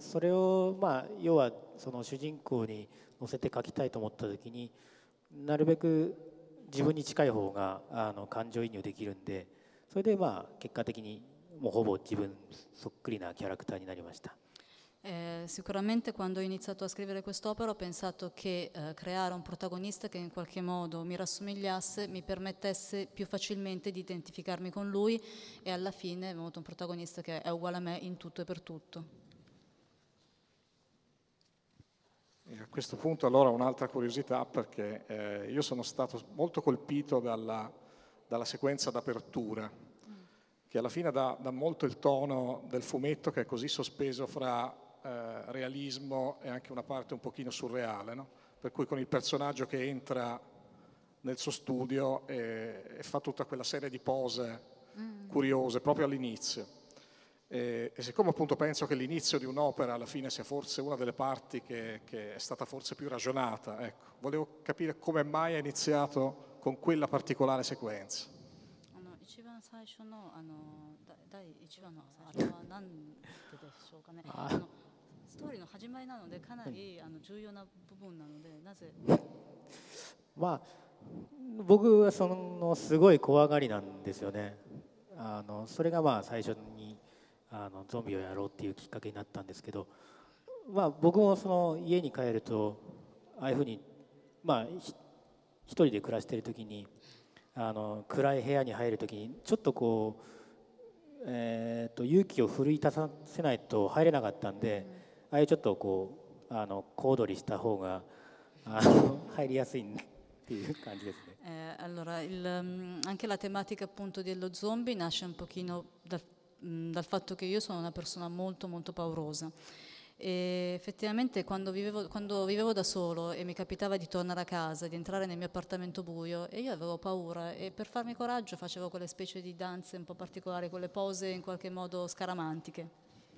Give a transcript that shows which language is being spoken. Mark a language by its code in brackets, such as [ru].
[ja] それをまあ要はその主人公に乗せて書きたいと思った時に、なるべく自分に近い方が感情移入できるんで、それでまあ結果的にもうほぼ自分そっくりなキャラクターになりました。 [it] Sicuramente quando ho iniziato a scrivere quest'opera ho pensato che creare un protagonista che in qualche modo mi rassomigliasse mi permettesse più facilmente di identificarmi con lui e alla fine ho avuto un protagonista che è uguale a me in tutto e per tutto. A questo punto allora un'altra curiosità perché io sono stato molto colpito dalla sequenza d'apertura che alla fine dà molto il tono del fumetto che è così sospeso fra realismo e anche una parte un pochino surreale, no? Per cui con il personaggio che entra nel suo studio e fa tutta quella serie di pose curiose proprio all'inizio. E siccome appunto penso che l'inizio di un'opera alla fine sia forse una delle parti che è stata forse più ragionata, ecco, volevo capire come mai ha iniziato con quella particolare sequenza. [ja] 一番最初の、第1話の、あれは何でしょうかね。ストーリーの始まりなので、かなり重要な部分なので、なぜ。まあ僕はそのすごい怖がりなんですよね。それがまあ最初にゾンビをやろうっていうきっかけになったんですけど、まあ僕もその家に帰るとああいうふうにまあ一人で暮らしてる時に暗い部屋に入る時にちょっとこう勇気を奮い立たせないと入れなかったんで、ああいうちょっとこう小躍りした方が入りやすいっていう感じですね。 [it] Allora, anche la tematica appunto dello zombie nasce un pochino dal fatto che io sono una persona molto molto paurosa. E effettivamente quando vivevo da solo e mi capitava di tornare a casa, di entrare nel mio appartamento buio, e io avevo paura e per farmi coraggio facevo quelle specie di danze un po' particolari, quelle pose in qualche modo scaramantiche.